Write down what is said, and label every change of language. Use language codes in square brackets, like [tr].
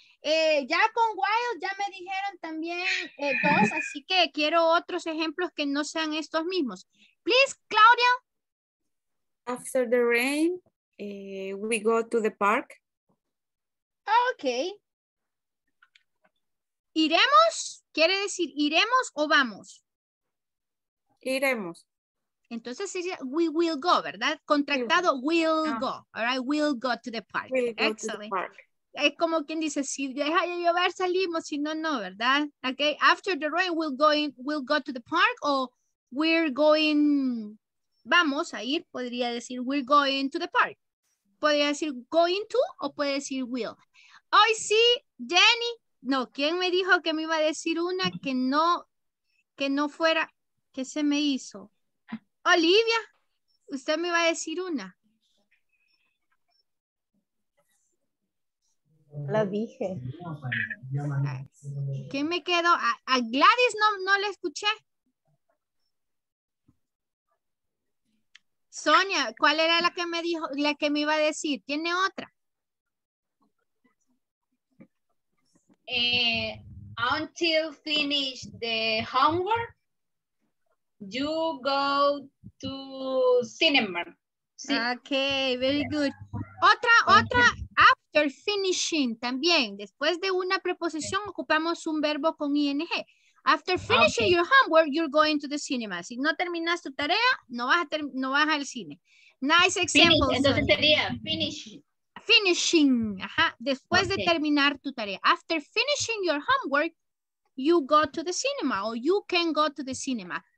[es] Ya con while, ya me dijeron también dos, así que quiero otros ejemplos que no sean estos mismos. [en] Please, Claudia. After the rain, we go to the park. Okay. [es] ¿Iremos? ¿Quiere decir iremos o vamos? Iremos. Entonces sería we will go, ¿verdad? Contractado, we'll go. [en] All right, we'll go to the park. Excellent. [es] Es como quien dice, si deja de llover, salimos. Si no, no, ¿verdad? [en] Okay, after the rain, we'll go to the park or we're going... [es] Vamos a ir, podría decir, [en] we're going to the park. [es] Podría decir going to o puede decir will. Hoy sí, Jenny. No, ¿quién me dijo que me iba a decir una que no fuera? ¿Qué se me hizo? Olivia, usted me iba a decir una. La dije. ¿Quién me quedó? A Gladys no la escuché. Sonia, ¿cuál era la que me dijo, la que me iba a decir? ¿Tiene otra? [en] Until finish the homework, you go to cinema. Sí. Okay, very good. Otra, after finishing también. [es] Después de una preposición, ocupamos un verbo con ing. [en] After finishing your homework, you're going to the cinema. [es] Si no terminas tu tarea, no vas al cine. [en] Nice example. [es] Finish. Entonces sería finish. finishing. Ajá. Después okay. de terminar tu tarea. [en] After finishing your homework, you go to the cinema or you can go to the cinema.